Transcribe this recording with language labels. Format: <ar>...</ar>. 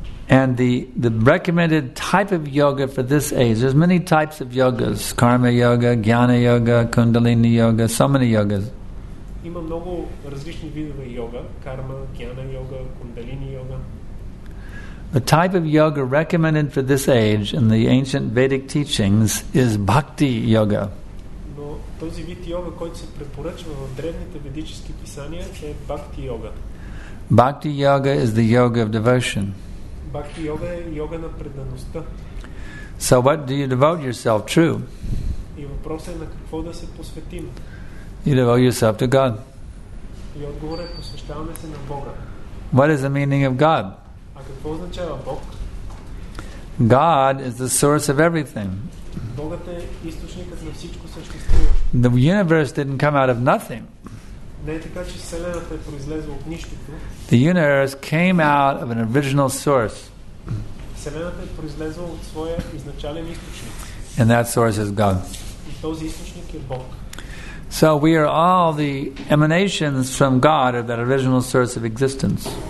<en>And the recommended type of yoga for this age, there's many types of yogas, karma yoga, jnana yoga, kundalini yoga, so many yogas.</en> <bg>Има много различни видове йога, карма, джняна йога, кундалини йога.</bg> <en>The type of yoga recommended for this age in the ancient Vedic teachings is bhakti yoga.</en> <bg>Този вид йога, който се препоръчва в древните ведически писания, е бхакти йога.</bg> <en>Бхакти йога is the yoga of devotion.</en> <bg>Бхакти йога е йога на предаността.</bg> <en>So what do you devote yourself to?</en> <bg>И въпросът е на какво да се посветим.</bg> <en>You devote yourself to God.</en> <bg>И отговорът е посвещаваме се на Бога.</bg> <en>What is the meaning of God?</en> <bg>А какво означава Бог?</bg> <en>God is the source of everything.</en> <bg>Богът е източникът на всичко съществува.</bg> <en>The universe didn't come out of nothing.</en> <bg>Не е така, че Вселената е произлезла от нищото.</bg> <en>The universe came out of an original source.</en> <bg>Вселената е произлезла от своя изначален източник.</bg> <en>And that source is God.</en> <bg>И този източник е Бог.</bg> <en>So we are all the emanations from God, or that original source of existence.</en>